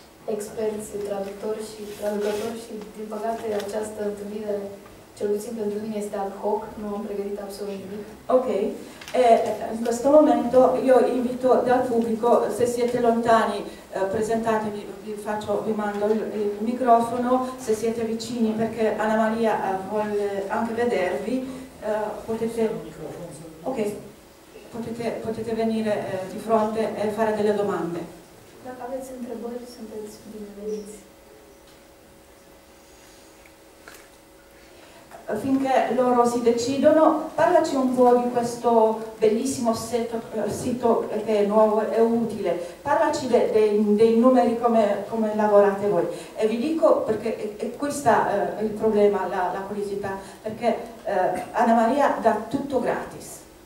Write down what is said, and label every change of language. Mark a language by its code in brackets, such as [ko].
[ro] Experți traductori și traducători și, din păcate, această întâlnire, cel puțin pentru mine, este ad hoc, nu am pregătit absolut nimic. Ok. [it] In questo momento io invito dal pubblico, se siete lontani, presentatevi, vi mando il microfono, se siete vicini, perché Anna Maria vuole anche vedervi, potete venire di fronte e fare delle domande. [ro] Dacă aveți întrebări, sunteți bineveniți. [it] Finché loro si decidono, parlaci un po' di questo bellissimo sito che è nuovo e utile. Parlaci dei numeri, come lavorate voi. E vi dico, perché questo è il problema, la curiosità, perché Anna Maria dà tutto gratis.